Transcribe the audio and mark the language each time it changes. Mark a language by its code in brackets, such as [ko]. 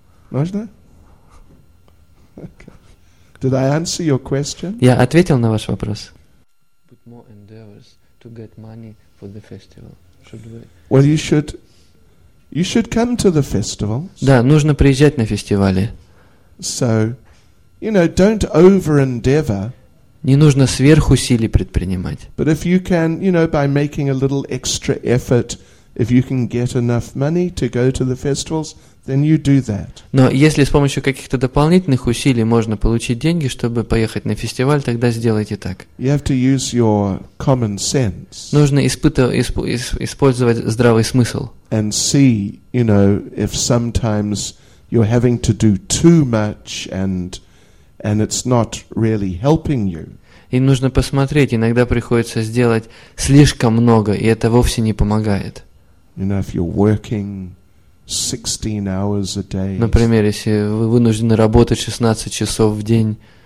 [ru] Можно? [en] Okay. Did I answer your question? [ru] Я ответил на ваш вопрос. [en] Put more endeavors to get money for the festival. Should we? Well, you should. You should come to the festival. [ru] Да, нужно приезжать на фестивали. [en] So, you know, don't over-endeavor. [ru] Не нужно сверхусилий предпринимать. [en] But if you can, you know, by making a little extra effort, if you can get enough money to go to the festivals, then you do that. [ru] Но если с помощью каких-то дополнительных усилий можно получить деньги, чтобы поехать на фестиваль, тогда сделайте так. [en] You have to use your common sense. [ru] Нужно использовать здравый смысл. [en] And see, you know, if sometimes you're having to do too much and it's not really helping you. [ru] И нужно посмотреть, иногда приходится сделать слишком много, и это вовсе не помогает. [en] You know, if you're working 16 hours a day. Например, если вы вынуждены работать 16 часов в день.